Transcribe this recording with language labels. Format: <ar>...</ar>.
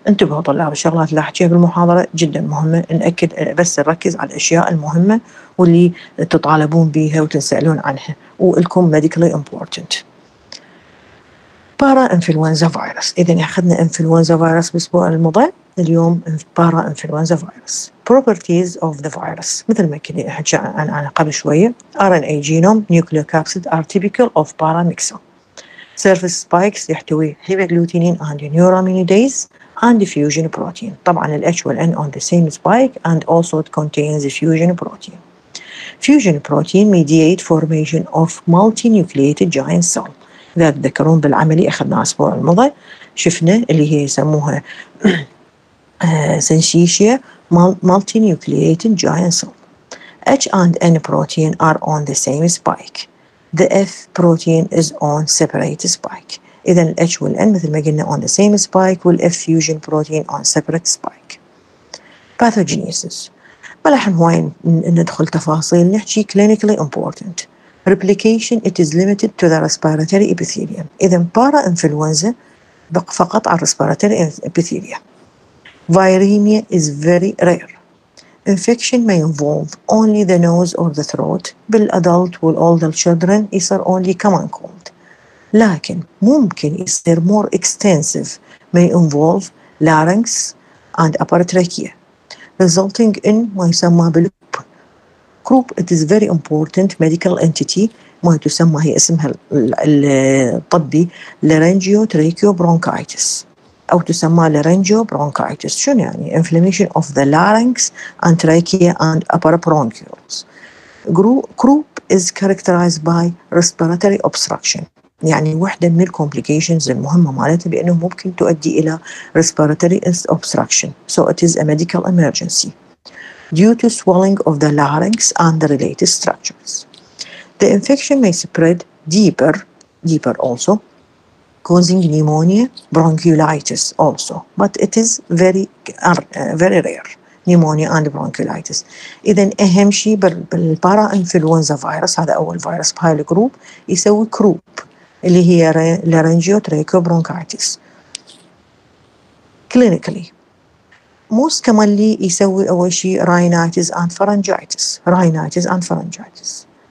<ar>انتبهوا طلاب الشغلات اللي حكيها بالمحاضرة جدا مهمة. نأكد بس نركز على الأشياء المهمة واللي تطالبون بيها وتنسألون عنها. وإلكم</ar> <en>medically important. Para-influenza virus.</en> <ar>إذن أخذنا</ar> <en>influenza virus</en> <ar>بأسبوع الماضي. اليوم</ar> <en>Para-influenza virus. Properties of the virus.</en> <ar>مثل ما كنا حكي عن قبل شوية.</ar> <en>RNA genome, nucleocapsid are typical of paramyxo. Surface spikes</en> <ar>يحتوي</ar> <en>hemagglutinin and neuraminidase and fusion protein.</en> <ar>طبعا ال</ar> <en>H will end on the same spike and also it contains the fusion protein. Fusion protein mediate formation of multinucleated giant cell.</en> <ar>إذا تذكرون بالعملي أخذناها أسبوع الماضي شفنا اللي هي يسموها سنشيشيا</ar> <en>multinucleated giant cell. H and N protein are on the same spike. The F protein is on separate spike. إذا ال H وال N</en> <ar>مثل ما قلنا</ar> <en>on the same spike وال F fusion protein on separate spike. Pathogenesis.</en> <ar>ما لحن هواي ندخل تفاصيل نحكي</ar> <en>clinically important. Replication it is limited to the respiratory epithelium.</en> <ar>إذا para influenza بق فقط على</ar> <en>respiratory epithelium. Viremia is very rare. Infection may involve only the nose or the throat.</en> <ar>بال</ar> <en>adult will older children is only common cold.</en> <ar>لكن ممكن</ar> <en>is there more extensive may involve larynx and upper trachea resulting in</en> <ar>ما يسمى بالكروب.</ar> <en>Croup it is very important medical entity</en> <ar>ما تسمى هي اسمها الطبي</ar> <en>laryngeotracheobronchitis.</en> <ar>أو تسمى</ar> <en>laryngeal bronchitis.</en> <ar>شنو يعني</ar> <en>inflammation of the larynx and trachea and upper bronchioles. Croup is characterized by respiratory obstruction.</en> <ar>يعني واحدة من الcomplications المهمة مالتها بأنه ممكن تؤدي إلى</ar> <en>respiratory obstruction. So it is a medical emergency due to swelling of the larynx and the related structures. The infection may spread deeper also. Causing pneumonia, bronchiolitis also, but it is very rare, pneumonia and bronchiolitis.</en> <ar>إذن أهم شيء بالبارا إنفلونزا فيروس هذا أول فيروس بهاي الجروب يسوي كروب اللي هي</ar> <en>Laryngotracheobronchitis. Clinically most</en> <ar>كمان اللي يسوي أول شيء</ar> <en>Rhinitis and pharyngitis, rhinitis and pharyngitis.</en>